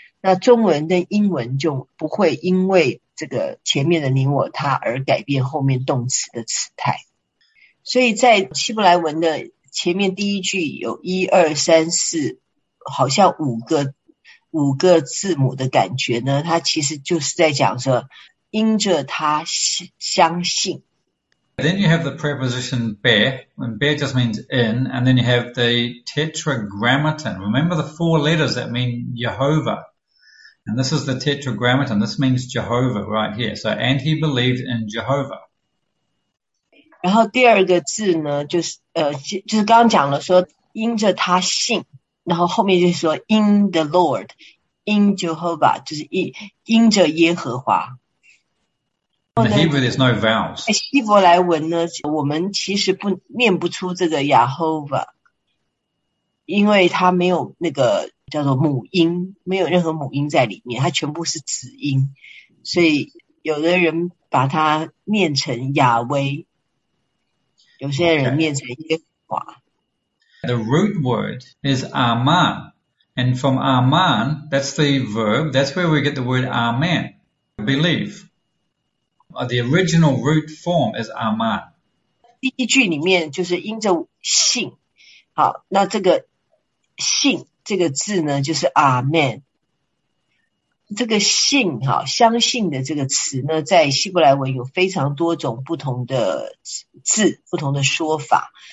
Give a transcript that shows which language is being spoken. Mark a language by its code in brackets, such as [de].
[zh] 那中文跟英文就不会因为这个前面的你我他而改变后面动词的词态。所以在希伯来文的前面第一句有一二三四好像五个字母的感觉呢，它其实就是在讲说因着他相信。 [en] Then you have the preposition be, and be just means in, and then you have the tetragrammaton. Remember the four letters that mean Jehovah. And this is the tetragrammaton. This means Jehovah right here. So, and he believed in Jehovah. [zh] 然后第二个字呢，就是刚刚讲了说，因着他信，然后后面就说 [en] in the Lord, in Jehovah, [zh] 就是 in 着耶和华。 [en] In the Hebrew, there's no vowels. [zh] 希伯来文呢，我们其实不念不出这个 Jehovah, 因为它没有那个叫做母音，没有任何母音在里面，它全部是子音，所以有的人把它念成亚威，有些人念成耶和华。 [en] The root word is Aman, and from Aman, that's the verb, that's where we get the word Amen, believe. The original root form is Aman. [zh] 第一句里面就是因着信，好，那这个信这个字呢，就是 Amen。这个信，相信的这个词呢，在希伯来文有非常多种不同的字，不同的说法。